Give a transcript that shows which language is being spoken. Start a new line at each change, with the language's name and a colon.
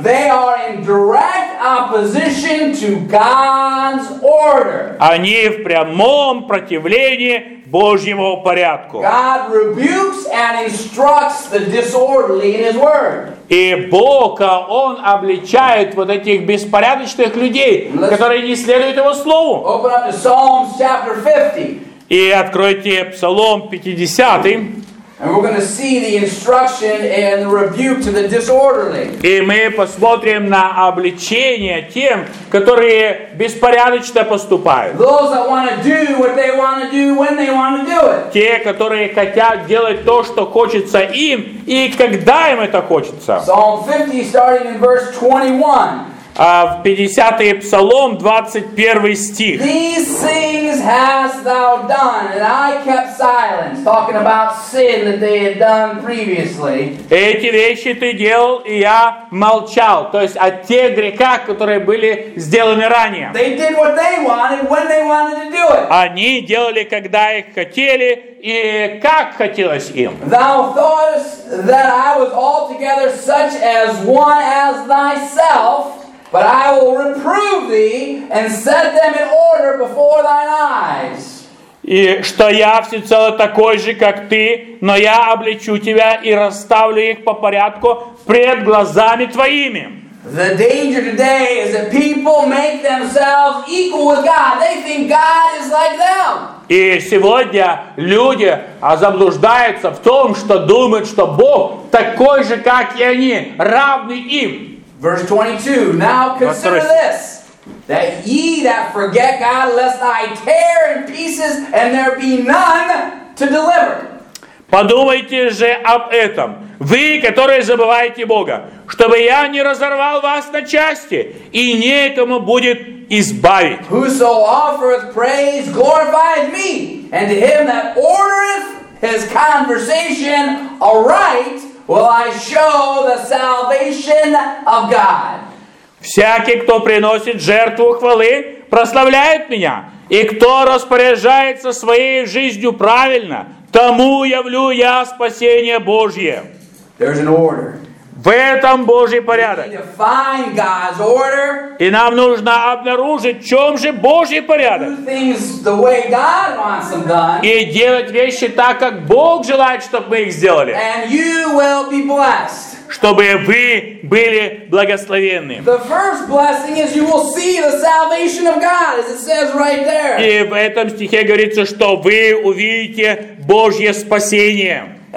English: They are in direct opposition to God's order.
Russian: Они в прямом противлении Божьему порядку.
English: God rebukes and instructs the disorderly in His word.
Russian: И Бог, Он обличает вот этих беспорядочных людей,
English: Let's
Russian: которые не следуют Его слову.
English: Open up to Psalms chapter 50.
Russian: И откройте Псалом 50.
English: And we're going to see the instruction and the rebuke to the disorderly.
Russian: И мы посмотрим на обличение тем, которые беспорядочно поступают.
English: Those that want to do what they want to do when they want to do it.
Russian: Те, которые хотят делать то, что хочется им, и когда им это хочется.
English: Psalm 50, starting in verse 21.
Russian: В 50-й Псалом, 21 стих.
English: These things hast thou done, and I kept silence, talking about sin that they had done previously.
Russian: Эти вещи ты делал, и я молчал. То есть о тех грехах, которые были сделаны ранее.
English: They did what they wanted, when they wanted to do it.
Russian: Они делали, когда их хотели, и как хотелось им.
English: Thou thoughtest that I was altogether such as one as thyself. But I will reprove thee and set them in order before thine eyes.
Russian: И что я всецело такой же, как ты, но я обличу тебя и расставлю их по порядку пред глазами твоими.
English: The danger today is that people make themselves equal with God. They think God is like them.
Russian: И сегодня люди заблуждаются в том, что думают, что Бог такой же, как и они, равный им.
English: Verse 22. Now consider this. That ye that forget God, lest I tear in pieces, and there be none to deliver.
Russian: Подумайте же об этом, вы, которые забываете Бога, чтобы я не разорвал вас на части, и некому будет избавить.
English: Whoso offereth praise glorifieth me, and to him that ordereth his conversation aright will I show the salvation of God.
Russian: Всякий, кто приносит жертву хвалы, прославляет меня, и кто распоряжается своей жизнью правильно, тому явлю я спасение Божье.
English: There's an order.
Russian: В этом Божий порядок.
English: We need to find God's order.
Russian: И нам нужно обнаружить, в чем же Божий порядок.
English: Do things the way God wants them done.
Russian: И делать вещи так, как Бог желает, чтобы мы их сделали.
English: And you will be blessed.
Russian: Чтобы вы были благословенны. И в этом стихе говорится, что вы увидите Божье спасение.